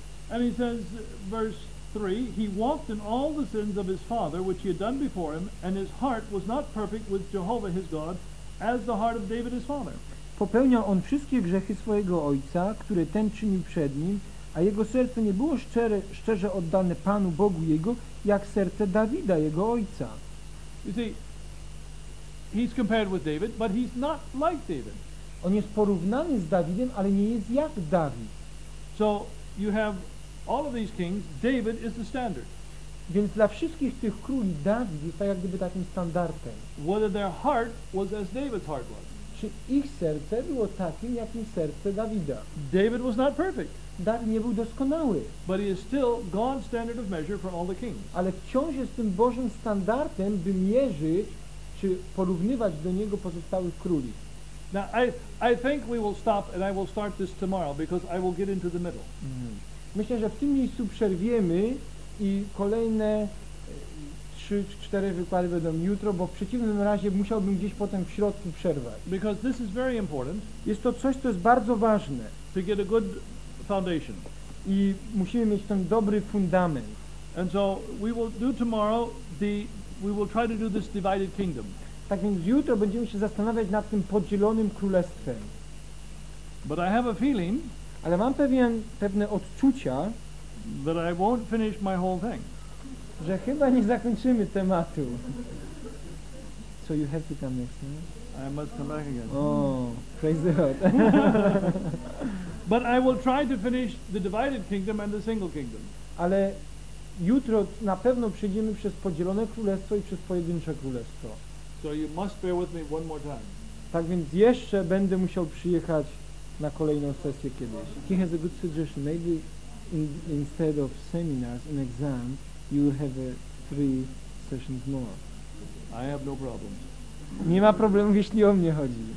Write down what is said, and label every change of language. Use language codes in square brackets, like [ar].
[en] And he says, verse 3, he walked in all the sins of his father, which he had done before him, and his heart was not perfect with Jehovah his God, as the heart of David his father. [pl] Popełniał on wszystkie grzechy swojego ojca, które ten czynił przed nim, a jego serce nie było szczere, szczerze oddane Panu Bogu jego, jak serce Dawida, jego ojca. [en] You see, he's compared with David, but he's not like David. [pl] On jest porównany z Dawidem, ale nie jest jak Dawid. [en] So, you have all of these kings, David is the standard. [pl] Więc dla wszystkich tych króli Dawid jest tak jak gdyby takim standardem. [en] Whether their heart was as David's heart was. [pl] Czy ich serce było takim, jakim serce Dawida. [en] David was not perfect. [pl] Dawid nie był doskonały. [en] But he is still God's standard of measure for all the kings. [pl] Ale wciąż jest tym Bożym standardem, by mierzyć, czy porównywać do niego pozostałych króli. [en] Now, I think we will stop and I will start this tomorrow, because I will get into the middle. [pl] Myślę, że w tym miejscu przerwiemy i kolejne 3-4 wykłady będą jutro, bo w przeciwnym razie musiałbym gdzieś potem w środku przerwać. [en] Because this is very important. [pl] Jest to coś, co jest bardzo ważne. [en] To get a good foundation. [pl] I musimy mieć ten dobry fundament. [en] And so we will do tomorrow the we will try to do this divided kingdom. [pl] Tak więc jutro będziemy się zastanawiać nad tym podzielonym królestwem. [en] But I have a feeling. [pl] Ale mam pewne odczucia, [en] that I won't finish my whole thing. [pl] Że chyba nie zakończymy tematu. [en] So you have to come next time. I must come back again. Oh, praise the Lord. But I will try to finish the divided kingdom and the single kingdom. [pl] Ale jutro na pewno przejdziemy przez podzielone królestwo i przez pojedyncze królestwo. [en] So you must bear with me one more time. [pl] Tak więc jeszcze będę musiał przyjechać na kolejną sesję kiedyś. [en] He has a good suggestion. Maybe instead of seminars and exams, you will have three sessions more. I have no problems. [pl] Nie ma problemów, jeśli o mnie chodzi.